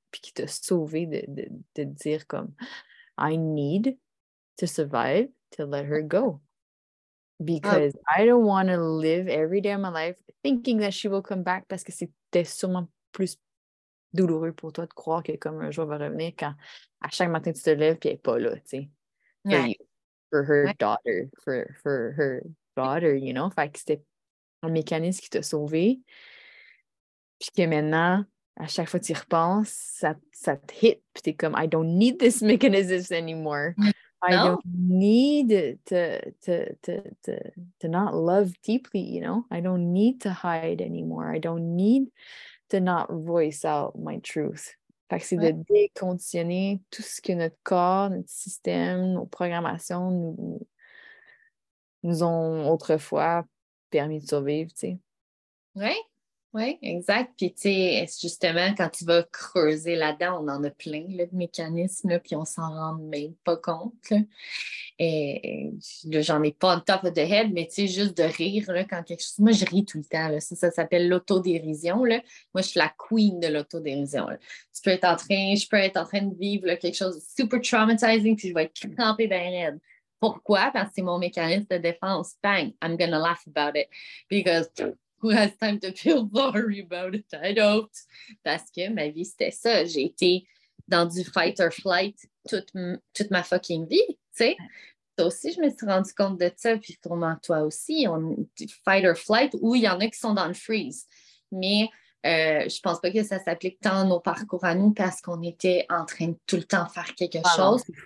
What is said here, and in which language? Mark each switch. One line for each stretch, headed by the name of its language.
French: Puis qui t'a sauvé de dire comme
English: I need to survive to let her go because I don't want to live every day of my life thinking that she will come back,
French: parce que c'était sûrement plus douloureux pour toi de croire que comme un jour elle va revenir quand à chaque matin tu te lèves puis elle n'est pas là, tu sais,
English: for her daughter, you know.
French: Fait que c'était un mécanisme qui t'a sauvé, puis que maintenant à chaque fois que tu y repenses, ça te hit. Puis t'es comme,
English: I don't need this mechanism anymore. No. I don't need to not love deeply, you know? I don't need to hide anymore. I don't need to not voice out my truth.
French: Fait que c'est de déconditionner tout ce que notre corps, notre système, nos programmations nous ont autrefois permis de survivre, tu sais. Oui. Oui, exact. Puis, tu sais, justement, quand tu vas creuser là-dedans, on en a plein, là, de mécanismes, là, puis on s'en rend même pas compte, là. Et là, j'en ai pas
English: on top of the head,
French: mais tu sais, juste de rire, là, quand quelque chose... Moi, je ris tout le temps, là. Ça s'appelle l'autodérision, là. Moi, je suis la queen de l'autodérision, là. Je peux être en train de vivre, là, quelque chose de super traumatizing, puis je vais être crampée dans les raides. Pourquoi? Parce que c'est mon mécanisme de défense. Bang!
English: I'm gonna laugh about it. Because... Who has time to feel sorry about it? I don't.
French: Parce que ma vie, c'était ça. J'ai été dans du fight or flight toute ma fucking vie, tu sais. Toi aussi, je me suis rendu compte de ça. Puis, sûrement toi aussi, on fight or flight, où il y en a qui sont dans le freeze. Mais je pense pas que ça s'applique tant à nos parcours à nous, parce qu'on était en train de tout le temps faire quelque chose.